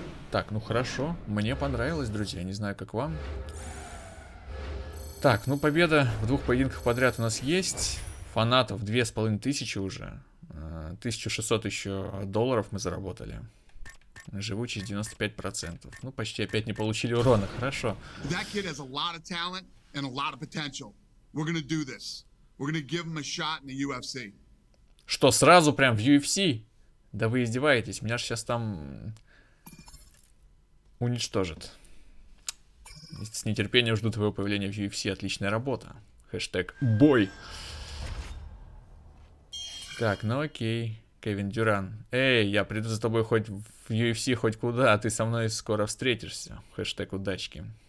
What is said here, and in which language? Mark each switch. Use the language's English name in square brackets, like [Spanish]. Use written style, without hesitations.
[Russian] Так, ну хорошо, мне понравилось, друзья, не знаю, как вам. Так, ну победа в двух поединках подряд у нас есть. Фанатов 2500 уже. 1600 еще долларов мы заработали. Живучесть 95%. Ну, почти опять не получили урона. Хорошо. [English] That kid has a lot of talent and a lot of potential. We're gonna do this. We're gonna give him a shot in the UFC. [Russian] Что, сразу прям в UFC? Да вы издеваетесь, меня же сейчас там уничтожат. С нетерпением жду твоего появления в UFC. Отличная работа. Хэштег бой. Так, ну окей, Кевин Дюран. Эй, я приду за тобой хоть в UFC, хоть куда, а ты со мной скоро встретишься. Хэштег удачки.